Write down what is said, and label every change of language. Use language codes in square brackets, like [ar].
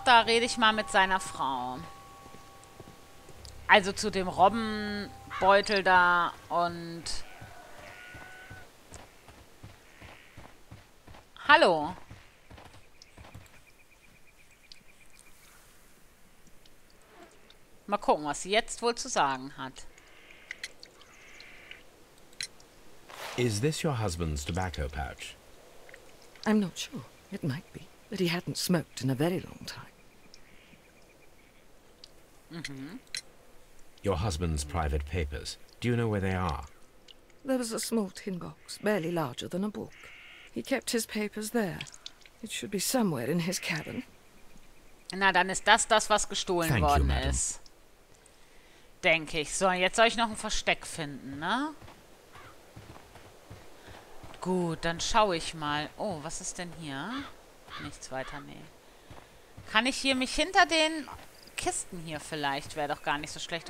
[de] Da rede ich mal mit seiner Frau. Also zu dem Robbenbeutel da und... Hallo. Mal gucken, was sie jetzt wohl zu sagen hat. [en] Is this your husband's tobacco pouch? I'm not sure. It might be. But he hadn't smoked in a very long time. Mm-hmm. Your husband's private papers. Do you know where they are? There was a small tin box, barely larger than a book. He kept his papers there. It should be somewhere in his cabin. [de] Na, dann ist das das, was gestohlen [en] Thank [de] worden [en] you, madam. [de] Ist. Denke ich. So, jetzt soll ich noch ein Versteck finden, ne? Gut, dann schaue ich mal. Oh, was ist denn hier? Nichts weiter, nee. Kann ich hier mich hinter den Kisten hier vielleicht? Wäre doch gar nicht so schlecht.